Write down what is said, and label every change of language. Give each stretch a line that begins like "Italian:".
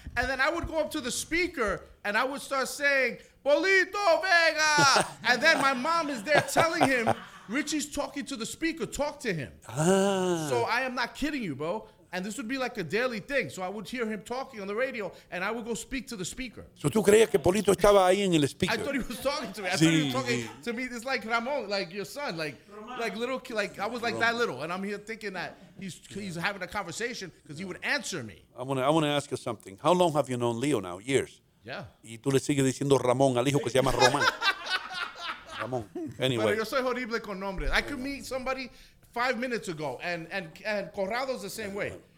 English: And then I would go up to the speaker, and I would start saying, Polito Vega. And then my mom is there telling him, Richie's talking to the speaker, talk to him. Ah. So I am not kidding you, bro. And this would be like a daily thing. So I would hear him talking on the radio, and I would go speak to the speaker.
Spanish: So tú creías que Polito estaba ahí en el speaker.
English: I thought he was talking to me. I thought he was talking to me. It's like Ramon, like your son, like little, like I was like that little, and I'm here thinking that he's having a conversation because he would answer me. I want to ask you something. How long have you known Leo now? Years. Yeah.
Spanish: Y tú le sigues diciendo Ramón al hijo que se llama Román.
English: Ramón. Anyway.
Spanish: Pero yo soy horrible con nombres.
English: I could meet somebody 5 minutes ago, and Corrado's the same way.